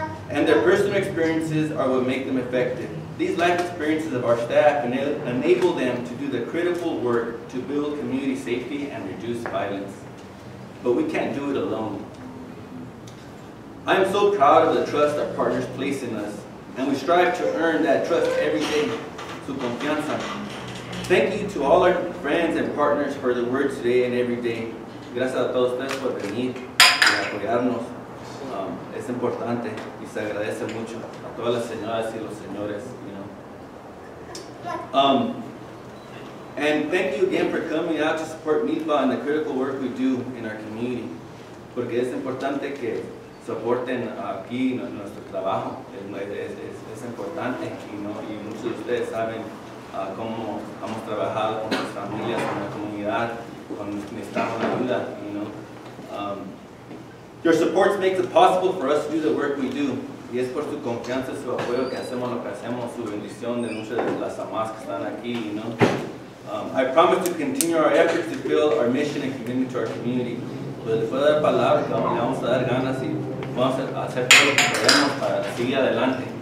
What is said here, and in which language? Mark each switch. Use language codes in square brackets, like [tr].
[en] And their personal experiences are what make them effective. These life experiences of our staff enable them to do the critical work to build community safety and reduce violence. But we can't do it alone. I am so proud of the trust our partners place in us, and we strive to earn that trust every day. [es] Su confianza. [en] Thank you to all our friends and partners for their words today and every day. [es] Gracias a todos ustedes por venir y apoyarnos. Es importante y se agradece mucho a todas las señoras y los señores, [en] you know. And thank you again for coming out to support MILPA and the critical work we do in our community. [es] Porque es importante que soporten aquí nuestro trabajo. Es importante, [en] you know, [es] y muchos de ustedes saben cómo hemos trabajado con las familias, con la comunidad, con necesitamos ayuda, you know. [en] Your support makes it possible for us to do the work we do. [es] Y es por su confianza, su apoyo que hacemos lo que hacemos, su bendición de muchas de las amas que están aquí, [en] you know. I promise to continue our efforts to build our mission and commitment to our community. [es] Pues después de dar palabras, vamos a dar ganas y vamos a hacer todo lo que podemos para seguir adelante.